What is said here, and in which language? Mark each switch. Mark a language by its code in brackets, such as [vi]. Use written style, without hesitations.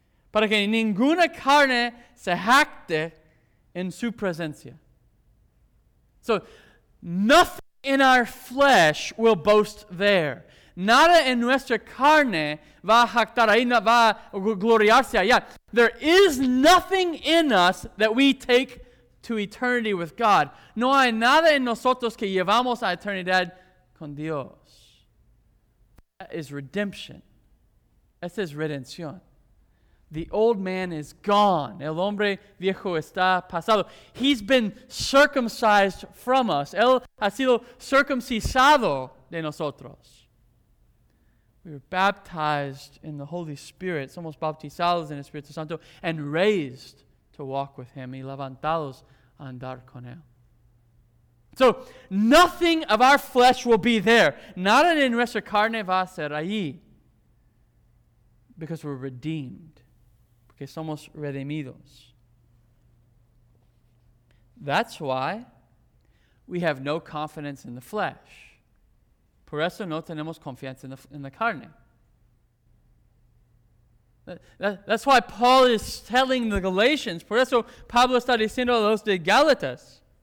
[es] Para que ninguna carne se jacte en su presencia. [en] So, nothing in our flesh will boast there. [es] Nada en nuestra carne va a jactar ahí, va a gloriarse allá. [en] There is nothing in us that we take to eternity with God. [es] No hay nada en nosotros que llevamos a eternidad con Dios. [en] That is redemption. [es] Esa es redención. [en] The old man is gone. [es] El hombre viejo está pasado. [en] He's been circumcised from us. [es] Él ha sido circuncisado de nosotros. [en] We are baptized in the Holy Spirit. [es] Somos bautizados en el Espíritu Santo. [en] And raised to walk with Him. [es] Y levantados a andar con Él. [en] So, nothing of our flesh will be there. [es] Nada en nuestra carne va a ser ahí. [en] Because we're redeemed. [es] Que somos redimidos. [en] That's why we have no confidence in the flesh. [es] Por eso no tenemos confianza en la carne. [en] That's why Paul is telling the Galatians. [es] Por eso Pablo está diciendo a los de Galatas.